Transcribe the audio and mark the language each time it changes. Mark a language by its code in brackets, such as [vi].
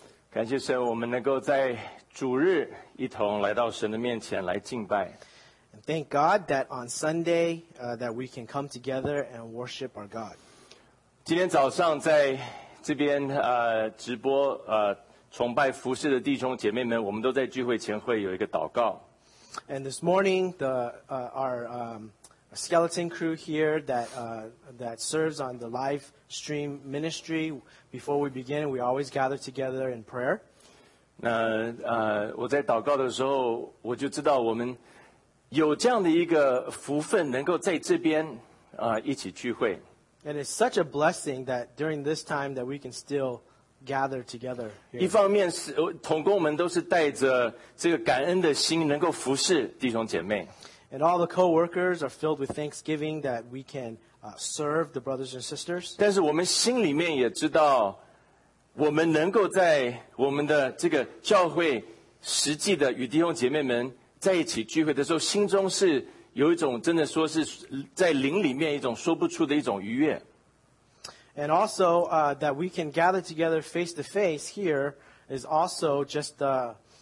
[zh] 感谢神，我们能够在主日一同来到神的面前来敬拜。 [en] And thank God that on Sunday, that we can come together and worship our God. [zh] 今天早上在这边直播崇拜服事的弟兄姐妹们，我们都在聚会前会有一个祷告。 [en] And this morning, our skeleton crew here that serves on the live stream ministry, before we begin, we always gather together in prayer. [zh] 那我在祷告的时候，我就知道我们有这样的一个福分，能够在这边一起聚会。 [en] And it's such a blessing that during this time that we can still gather together here. [zh] 一方面是同工们都是带着这个感恩的心能够服侍弟兄姐妹。 [en] And all the co-workers are filled with thanksgiving that we can serve the brothers and sisters. [zh] 但是我们心里面也知道我们能够在我们的这个教会实际的与弟兄姐妹们在一起聚会的时候，心中是有一种真的说是在灵里面一种说不出的一种愉悦。 [en] And also, that we can gather together face to face here is also just a